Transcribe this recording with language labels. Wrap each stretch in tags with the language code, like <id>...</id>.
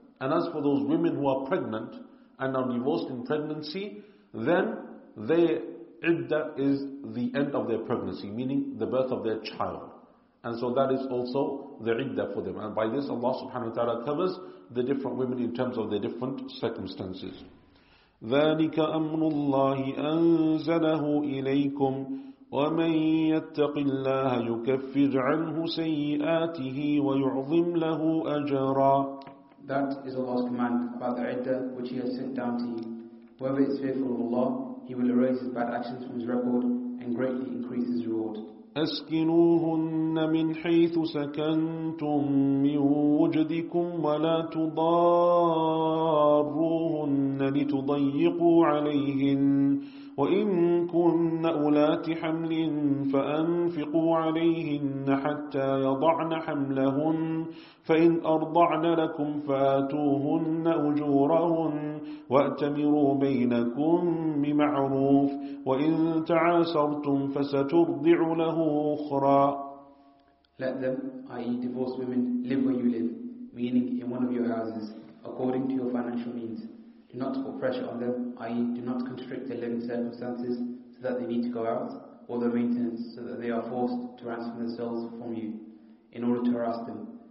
<en>And as for those women who are pregnant and are divorced in pregnancy, then their iddah is the end of their pregnancy, meaning the birth of their child. And so that is also the iddah for them. And by this Allah subhanahu wa ta'ala covers the different women in terms of their different circumstances.</en> <ar>ذلك أمر الله أنزله إليكم ومن يتق الله يكفر عنه سيئاته ويعظم له أجرا.</ar> <en>That is Allah's command about the iddah which He has sent down to you. Whoever is faithful of Allah, He will erase his bad actions from his record and greatly increase his reward.</en> <ar>أسكنوهن من حيث سكنتم من وجدكم ولا تضاروهن لتضيقوا عليهن وإن كن أولات حمل فأنفقوا عليهن حتى يضعن حملهن فإن أرضعن لكم فآتوهن أجورهن وأتمروا بينكم بمعروف وإن تعاسرتم فسترضع له أخرى.</ar> <en>Let them, i.e. divorced women, live where you live, meaning in one of your houses, according to your financial means. Do not put pressure on them, i.e. do not constrict their living circumstances so that they need to go out, or their maintenance so that they are forced to ransom themselves from you in order to harass them.</en>